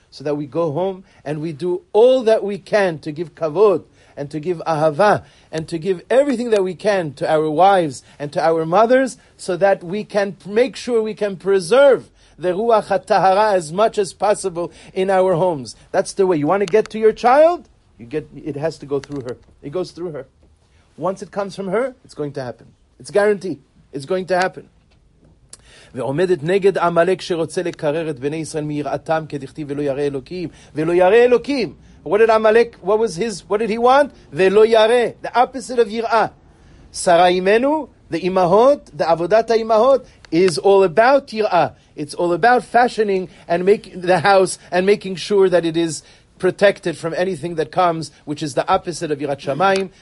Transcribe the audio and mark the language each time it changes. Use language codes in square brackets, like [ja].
[en] So that we go home and we do all that we can to give kavod, and to give ahava, and to give everything that we can to our wives and to our mothers, so that we can make sure we can preserve the ruach ha-tahara as much as possible in our homes. That's the way. You want to get to your child? It has to go through her. It goes through her. Once it comes from her, it's going to happen. It's guaranteed. It's going to happen. [he] ועומדת נגד עמלק שרוצה לקרר את בני ישראל מיראתם כדכתיב ולא ירא אלוקים ולא ירא אלוקים. [en] What did Amalek, what did he want? [he] Velo yare, [en] the opposite of yira. Saraimenu, the imahot, the avodata imahot, is all about yira. It's all about fashioning and making the house and making sure that it is protected from anything that comes, which is the opposite of yirat shamayim.